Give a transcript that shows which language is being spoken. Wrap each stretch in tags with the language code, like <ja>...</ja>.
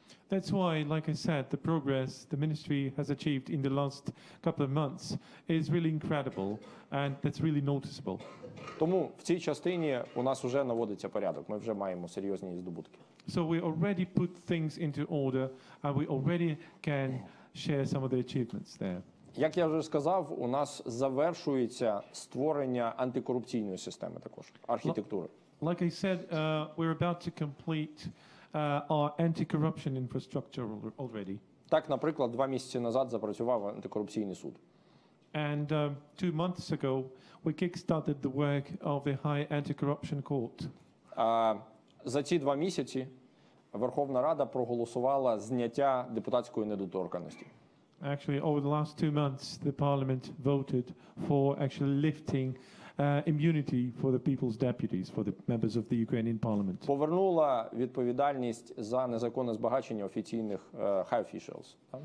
<en>That's why, like I said, the progress the ministry has achieved in the last couple of months is really incredible, and that's really noticeable.</en> <uk>Тому в цій частині у нас уже наводиться порядок, ми вже маємо серйозні здобутки.</uk> <en>So we already put things into order, and we already can share some of the achievements there.</en> <uk>Як я вже сказав, у нас завершується створення антикорупційної системи також, архітектури.</uk> <en>Like I said, we're about to complete our anti-corruption infrastructure already.</en> <uk>Так, наприклад, два місяці назад запрацював антикорупційний суд.</uk> <en>And two months ago we kick-started the work of the High Anti-Corruption Court.</en> <uk>За ці два місяці Верховна Рада проголосувала зняття депутатської недоторканності.</uk> <en>Actually, over the last two months the parliament voted for actually lifting immunity for the people's deputies, for the members of the Ukrainian parliament.</en> <uk>Повернула відповідальність за незаконне збагачення офіційних</uk> <en>high officials.</en>